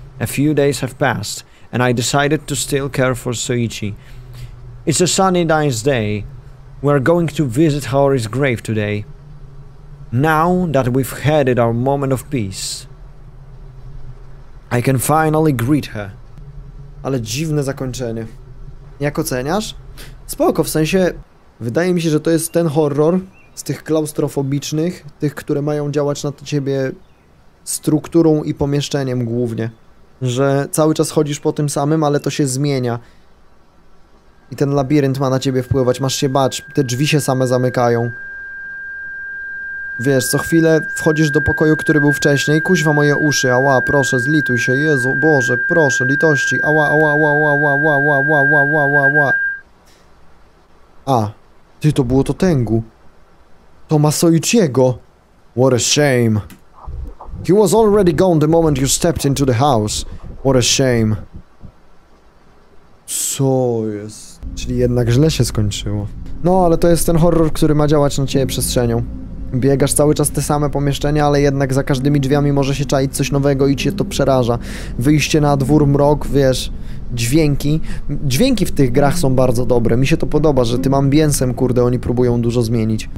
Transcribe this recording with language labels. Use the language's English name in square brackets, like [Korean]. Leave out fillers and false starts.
[English] A few days have passed, and I decided to still care for Soichi. It's a sunny, nice day. We are going to visit Haori's grave today. Now that we've had our moment of peace, I can finally greet her. [Polish] Ale dziwne zakończenie. Jak oceniasz? Spoko, w sensie, wydaje mi się, że to jest ten horror z tych klaustrofobicznych, tych, które mają działać na ciebie strukturą i pomieszczeniem głównie. Że cały czas chodzisz po tym samym, ale to się zmienia. I ten labirynt ma na ciebie wpływać, masz się bać, te drzwi się same zamykają. Wiesz, co chwilę wchodzisz do pokoju, który był wcześniej, kuźwa moje uszy, ała, proszę, zlituj się, Jezu, Boże, proszę, litości, ała, ała, ała, ała, ała, ała, ała, ała, ała, ała, ała, ała. A, ty, to było to Tengu. To Masoichiego. [English] What a shame. He was already gone the moment you stepped into the house. What a shame. [Polish] Co jest? Czyli jednak źle się skończyło. No, ale to jest ten horror, który ma działać na ciebie przestrzenią. Biegasz cały czas te same pomieszczenia, ale jednak za każdymi drzwiami może się czaić coś nowego i cię to przeraża. Wyjście na dwór, mrok, wiesz, dźwięki. Dźwięki w tych grach są bardzo dobre. Mi się to podoba, że tym ambiensem, kurde, oni próbują dużo zmienić.